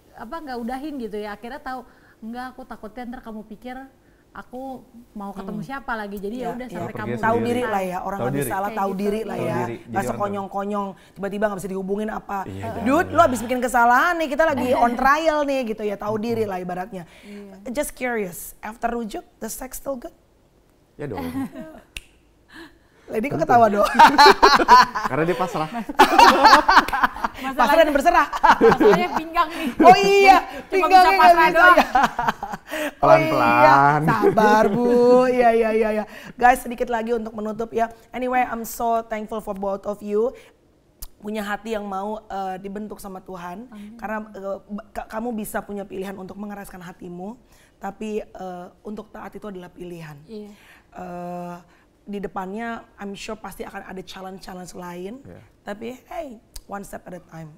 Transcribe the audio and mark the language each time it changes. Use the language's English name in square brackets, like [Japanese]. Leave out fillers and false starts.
[Indonesian] Apa enggak udahin gitu ya. Akhirnya tahu enggak aku takutnya ntar kamu pikir aku mau ketemu siapa lagi. Jadi ya udah sampai kamu tahu diri lah ya. Orang enggak bisa salah tahu diri lah ya. Enggak sekonyong-konyong tiba-tiba enggak bisa dihubungin apa. Dude, lu habis bikin kesalahan nih. Kita lagi [English] on trial [Indonesian] nih gitu ya. Tahu diri lah ibaratnya. [English] Yeah. Just curious, after rujuk the sex still good? [Indonesian] Ya dong. Lady kok ketawa dong? Karena dia pasrah. Pasrah dan berserah. Masalahnya pinggang nih. Oh iya, pinggang bisa pasrah doang. Pelan-pelan. Oh, iya. Sabar Bu, iya. Guys, sedikit lagi untuk menutup ya. [English] Anyway, I'm so thankful for both of you. [Indonesian] Punya hati yang mau dibentuk sama Tuhan. Karena kamu bisa punya pilihan untuk mengeraskan hatimu. Tapi untuk taat itu adalah pilihan. Iya. Di depannya, [English] I'm sure [Indonesian] pasti akan ada challenge-challenge lain. Tapi [English] hey, one step at a time.